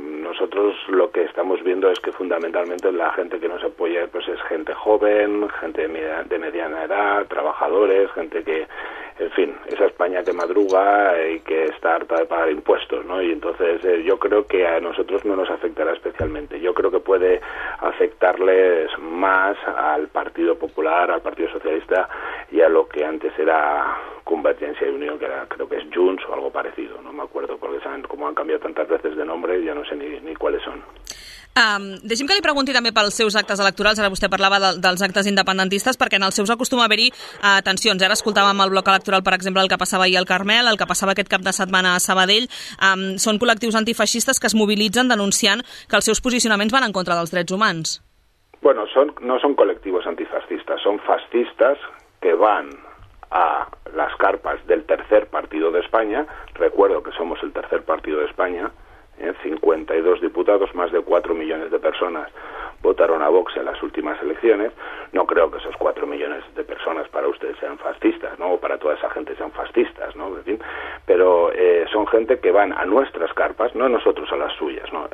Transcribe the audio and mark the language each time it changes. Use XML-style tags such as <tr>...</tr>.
<es>nosotros lo que estamos viendo es que fundamentalmente la gente que nos apoya, pues, es gente joven, gente de mediana edad, trabajadores, gente que, en fin, esa España que madruga y que está harta de pagar impuestos, ¿no? Y entonces yo creo que a nosotros no nos afectará especialmente. Yo creo que puede afectarles más al Partido Popular, al Partido Socialista y a lo que antes era Convergència i Unió, que era, creo que es Junts o algo parecido. No me acuerdo, porque saben cómo han cambiado tantas veces de nombre y ya no sé ni cuáles son.</es> <ca>Deixi'm que li pregunti també pels seus actes electorals. Ara vostè parlava dels actes independentistes, perquè en els seus acostuma a haver-hi tensions. Ara escoltàvem el bloc electoral, per exemple, el que passava ahir al Carmel, el que passava aquest cap de setmana a Sabadell. Són col·lectius antifeixistes que es mobilitzen denunciant que els seus posicionaments van en contra dels drets humans. Bueno, no són col·lectius antifeixistes, són fascistes que van</ca> <es>a las carpas del tercer partido de España. Recuerdo que somos el tercer partido de España, 52 diputados, más de 4 millones de personas votaron a Vox en las últimas elecciones. No creo que esos 4 millones de personas para ustedes sean fascistas, ¿no? O para toda esa gente sean fascistas, ¿no? En fin, pero son gente que van a nuestras carpas, no nosotros a las suyas, ¿no?</es>